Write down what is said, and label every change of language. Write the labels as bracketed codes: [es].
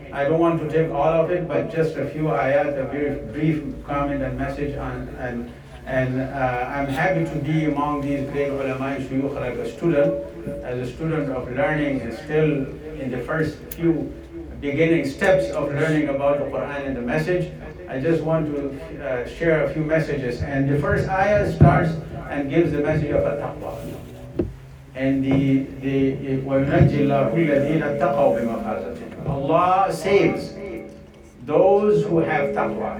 [en] I don't want to take all of it, but just a few ayat, a very brief comment and message on, and I'm happy to be among these great ulama and shuyukh like a student, as a student of learning and still in the first few beginning steps of learning about the Quran and the message. I just want to share a few messages. And the first ayah starts and gives the message of at-taqwa. And the [ar] وَيُنَجِّ اللَّهُ الَّذِينَ اتَّقَوْا بِمَفَازَتِهِمْ. [en] Allah saves those who have taqwa.